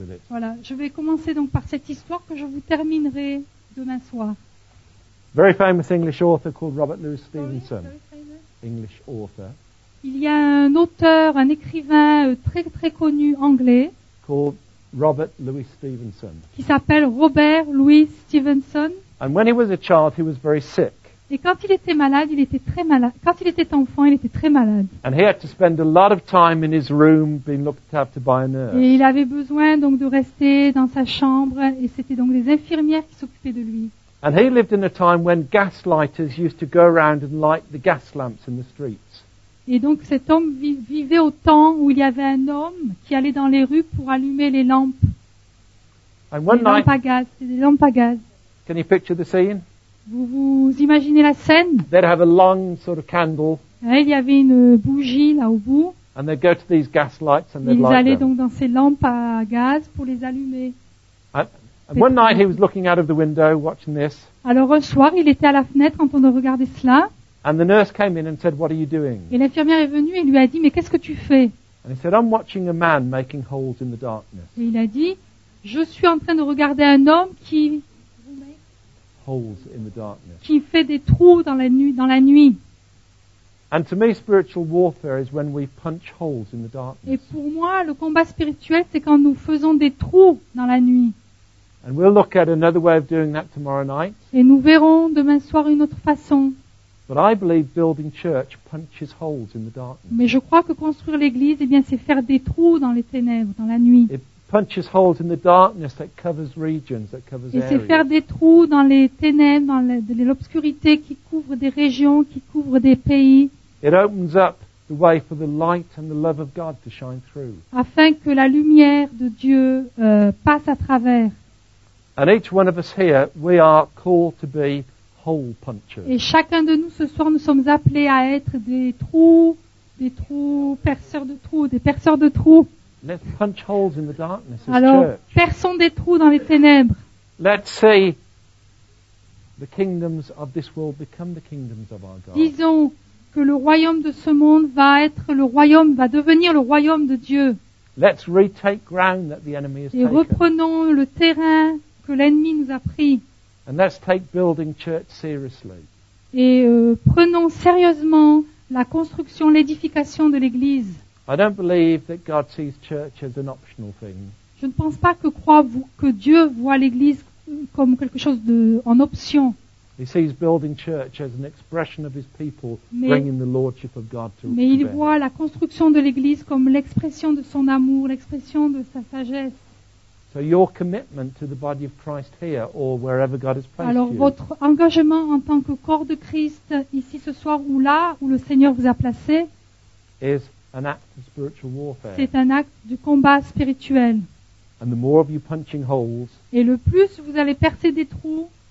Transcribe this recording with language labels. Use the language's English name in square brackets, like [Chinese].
[French] Voilà, je vais commencer donc par cette histoire que je vous terminerai demain soir. [English] Very famous English author called Robert Louis Stevenson. English author. [French] Il y a un auteur, un écrivain très très connu anglais. [English] Called Robert Louis Stevenson. [French] Qui s'appelle Robert Louis Stevenson. [English] And when he was a child, he was very sick. [French] Et quand il était malade, il était très malade. Quand il était enfant, il était très malade. [English] And he had to spend a lot of time in his room being looked after by a nurse. [French] Et il avait besoin donc de rester dans sa chambre et c'était donc les infirmières qui s'occupaient de lui. [English] And he lived in a time when gaslighters used to go around and light the gas lamps in the streets. [French] Et donc cet homme vivait au temps où il y avait un homme qui allait dans les rues pour allumer les lampes. [English] And one [French] les lampes à gaz, c'était des lampes à gaz. [English] Can you picture the scene? [French] Vous vous imaginez la scène? [English] They'd have a long sort of candle. [French] Et il y avait une bougie là au bout. [English] And they'd go to these gas lights and they'd [French] ils allaient [English] light [French] donc [English] them. [French] Dans ces lampes à gaz pour les allumer. [English] And one night he was looking out of the window watching this. [French] Alors un soir, il était à la fenêtre en train de regarder cela. [English] And the nurse came in and said, "What are you doing?" [French] Et l'infirmière est venue et lui a dit, "Mais qu'est-ce que tu fais?" [English] And he said, "I'm watching a man making holes in the darkness." [French] Et il a dit, "Je suis en train de regarder un homme qui [English] holes in the darkness. [French] Qui fait des trous dans la nuit." [English] And to me, spiritual warfare is when we punch holes in the darkness. [French] Et pour moi, le combat spirituel, c'est quand nous faisons des trous dans la nuit. [English] And we'll look at another way of doing that tomorrow night. [French] Et nous verrons demain soir une autre façon. [English] But I believe building church punches holes in the darkness. [French] Mais je crois que construire l'église, eh bien, c'est faire des trous dans les ténèbres, dans la nuit. [English] Punches holes in the darkness that covers regions, that covers [French] et [English] areas. [French] C'est faire des trous dans les ténèbres, dans l'obscurité qui couvre des régions, qui couvre des pays. [English] It opens up the way for the light and the love of God to shine through. [French] Afin que la lumière de Dieu passe à travers. [English] And each one of us here, we are called to be hole punchers. [French] Et chacun de nous ce soir, nous sommes appelés à être des perceurs de trous. [English] Let's punch holes in the darkness as [French] alors, [English] church. [French] Perçons des trous dans les ténèbres. [English] Let's see the kingdoms of this world become the kingdoms of our God. [French] Disons que le royaume de ce monde va devenir le royaume de Dieu. [English] Let's retake ground that the enemy has taken. [French] Et reprenons le terrain que l'ennemi nous a pris. [English] And let's take building church seriously. [French] Et prenons sérieusement la construction, l'édification de l'église. [English] I don't believe that God sees church as an optional thing. [French] Je ne pense pas que Dieu voit l'église comme quelque chose en option. [English] He sees building church as an expression of his people bringing the lordship of God to [French] mais il voit la construction de l'église comme l'expression de son amour, l'expression de sa sagesse. [English] So your commitment to the body of Christ here or wherever God has placed [French] alors [English] you. [French] Votre engagement en tant que corps de Christ ici ce soir ou là où le Seigneur vous a placé [English] is an act of spiritual warfare. [French] C'est un acte du combat spirituel. [English] And the more of you punching holes, [French] et le plus vous allez percer des trous,